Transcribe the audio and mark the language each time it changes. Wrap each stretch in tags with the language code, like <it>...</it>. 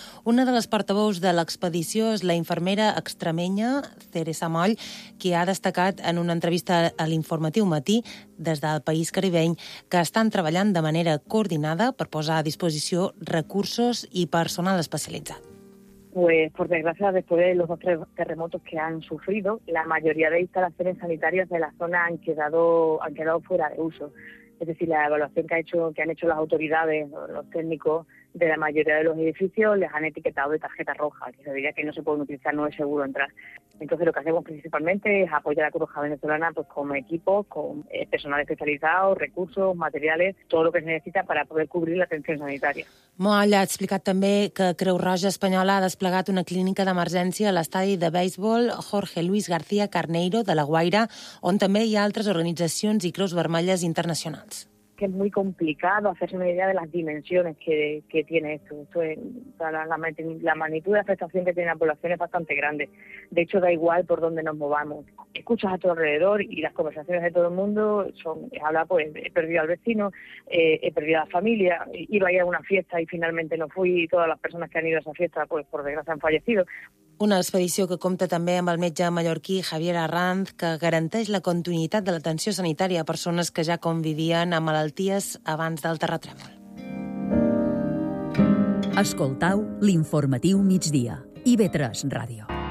<ca>Una de les portaveus de l'expedició és la infermera extremenya Teresa Moll, qui ha destacat en una entrevista a l'Informatiu Matí des del País Caribeny que estan treballant de manera coordinada per posar a disposició recursos i personal especialitzat.</ca> <es>Pues, por desgracia, después de los dos terremotos que han sufrido, la mayoría de instalaciones sanitarias de la zona han quedado fuera de uso. Es decir, la evaluación que han hecho las autoridades, los técnicos de la mayoría de los edificios, les han etiquetado de tarjeta roja, que se diría que no se pueden utilizar, no es seguro entrar. Entonces, lo que hacemos principalmente es apoyar a la Cruz Roja Venezolana pues, con equipos, con personal especializado, recursos, materiales, todo lo que se necesita para poder cubrir la atención sanitaria.</es> <ca>Moll ha explicat també que Creu Roja Espanyola ha desplegat una clínica d'emergència a l'estadi de béisbol Jorge Luis García Carneiro de La Guaira, on també hi ha altres organitzacions i creus vermelles internacionals.</ca> <es>Que es muy complicado hacerse una idea de las dimensiones que tiene esto. Esto es, la magnitud de afectación que tiene la población es bastante grande. De hecho, da igual por dónde nos movamos. Escuchas a tu alrededor y las conversaciones de todo el mundo son, habla pues, he perdido al vecino, he perdido a la familia, iba a ir a una fiesta y finalmente no fui y todas las personas que han ido a esa fiesta, pues por desgracia han fallecido.</es> <ca>Una expedició que compta també amb el metge mallorquí Javier Arranz, que garanteix la continuïtat de l'atenció sanitària a persones que ja convivien amb malalties abans del terratrèmol. Escoltau l'informatiu migdia. IB3 Ràdio.</ca>